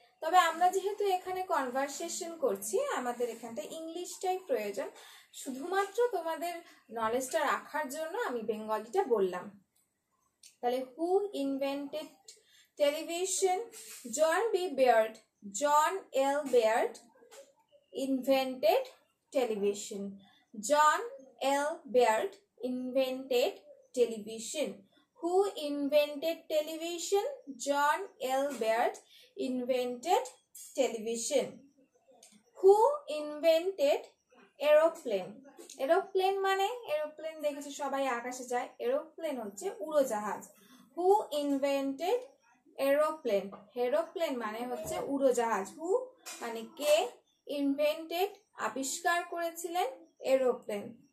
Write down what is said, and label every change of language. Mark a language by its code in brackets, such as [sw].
[bn] তবে আমরা যেহেতু এখানে কনভারসেশন করছি, আমাদের এখানটা ইংলিশটাই প্রয়োজন, শুধুমাত্র তোমাদের নলেজটা রাখার জন্য আমি বেঙ্গলিটা বললাম। [en] তাহলে who invented television, John B Baird, John L Baird invented television, John L. Baird invented television. Who invented television? John L. Baird invented television. Who invented aeroplane? [bn] Aeroplane মানে aeroplane দেখেছো সবাই আকাশে যায়, aeroplane হচ্ছে উড়োজাহাজ। [en] Who invented aeroplane? Aeroplane [bn] মানে হচ্ছে উড়োজাহাজ। Who মানে কে invented আবিষ্কার করেছিলেন aeroplane?